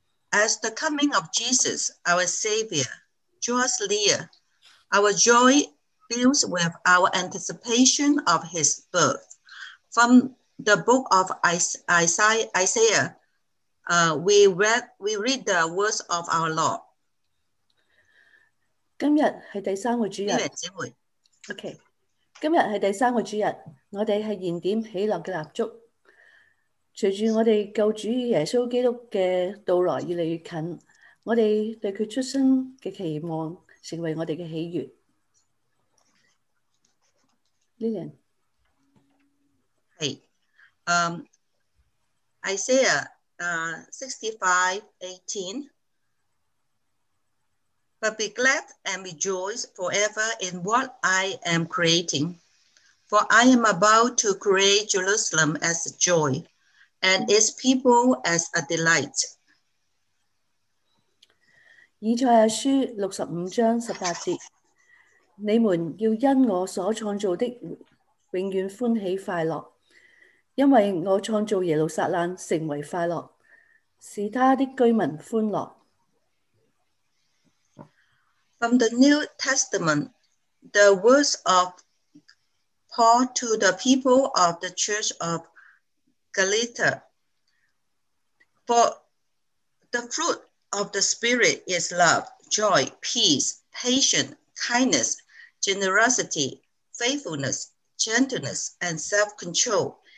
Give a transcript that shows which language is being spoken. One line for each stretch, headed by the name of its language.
English: As the coming of Jesus, our Savior, draws near, our joy builds with our anticipation of his birth. From the book of Isaiah, we read the words of our Lord.
Chinese: 今日是第三个主日。姐妹。
English: Okay.
Chinese: 今日是第三个主日，我们是燃点喜乐的蜡烛。随着我们救主耶稣基督的到来越来越近，我们对他出生的期望成为我们的喜悦。 Lillian，是Isaiah 65:18。
English: But be glad and rejoice forever in what I am creating. For I am about to create Jerusalem as a joy, and its people as a delight.
Chinese: 以赛亚书65:18，你们要因我所创造的永远欢喜快乐，因为我创造耶路撒冷成为快乐，使他的居民欢乐。
English: From the New Testament, the words of Paul to the people of the Church of Galatia. For the fruit of the Spirit is love, joy, peace, patience, kindness, generosity, faithfulness, gentleness, and self-control.